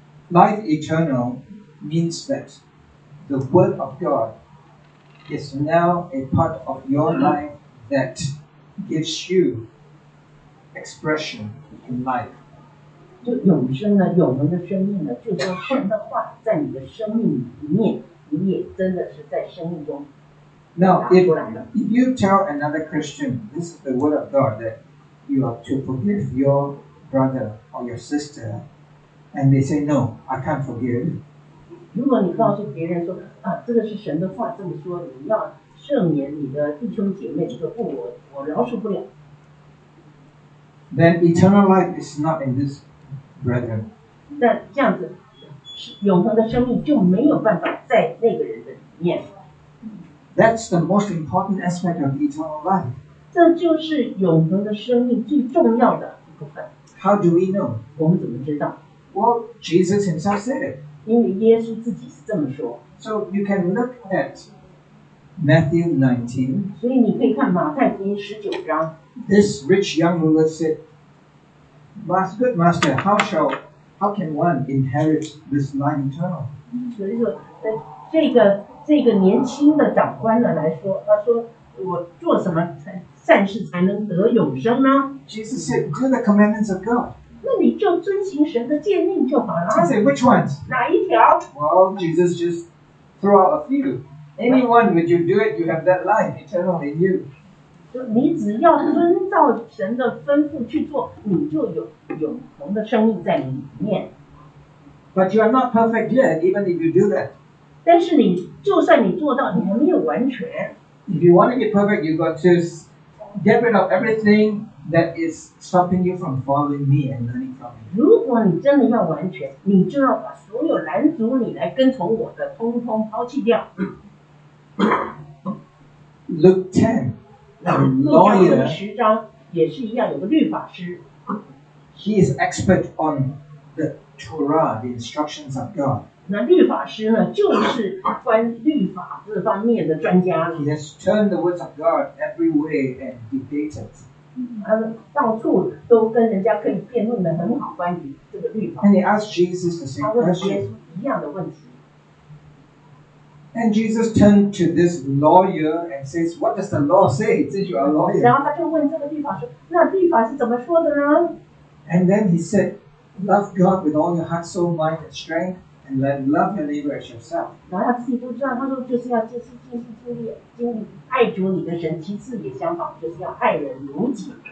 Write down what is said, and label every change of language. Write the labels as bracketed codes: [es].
[en] Life eternal means that the word of God. Is now a part of your life that gives you expression in life. [zh] 就永生呢，永恒的生命呢，就是神的话在你的生命里面，你也真的是在生命中。 [en] Now, if you tell another Christian, this is the word of God that you are to forgive your brother or your sister, and they say no, I can't forgive. [zh] 如果你告诉别人说啊，这个是神的话这么说，你要赦免你的弟兄姐妹，这个不，我饶恕不了。 [en] Then eternal life is not in this brethren. [zh] 那这样子，永恒的生命就没有办法在那个人的里面。 [en] That's the most important aspect of eternal life. [zh] 这就是永恒的生命最重要的一部分。 [en] How do we know? [zh] 我们怎么知道 [en] ？Well, Jesus himself said it. [zh] 因为耶稣自己是这么说。 [en] So you can look at Matthew 19. [zh] 所以你可以看马太福音十九章。 [en] This rich young ruler said, "Good master, how can one inherit this life eternal?" [zh] 所以说，这个这个年轻的长官呢来说，他说我做什么才善事才能得永生呢？ [en] Jesus said, do the commandments of God. [zh] 那你就遵行神的诫命就好了。 [en] He said, which ones? [zh] 哪一条？ [en] Well, Jesus just threw out a few. Anyone, when you do it, you have that life eternal in you. [zh] 你只要遵照神的吩咐去做，你就有永恒的生命在里面。 [en] But you are not perfect yet, even if you do that. [zh] 但是你就算你做到，你还没有完全。 [en] If you want to get perfect, you've got to get rid of everything that is stopping you from following me and learning from me. [zh] 如果你真的要完全，你就要把所有拦阻你来跟从我的，通通抛弃掉。 [en] Luke 10, the lawyer. [zh] 路加福音十章也是一样，有个律法师。 [en] He is expert on the Torah, the instructions of God. [zh] 那律法师呢，就是关律法这方面的专家。 [en] He has turned the words of God every way and debated. [zh] 他到处都跟人家可以辩论的很好，关于这个律法。 [en] And he asked Jesus the same question. [zh] 他问耶稣一样的问题。 [en] And Jesus turned to this lawyer and says, "What does the law say? Since you are a lawyer." [zh] 然后他就问这个律法师，那律法是怎么说的呢？ [en] And then he said, "Love God with all your heart, soul, mind, and strength." And then love your neighbor as yourself. [zh] 然后他自己都知道，他说就是要尽心尽力爱主你的神，其次也相仿，就是要爱人如己。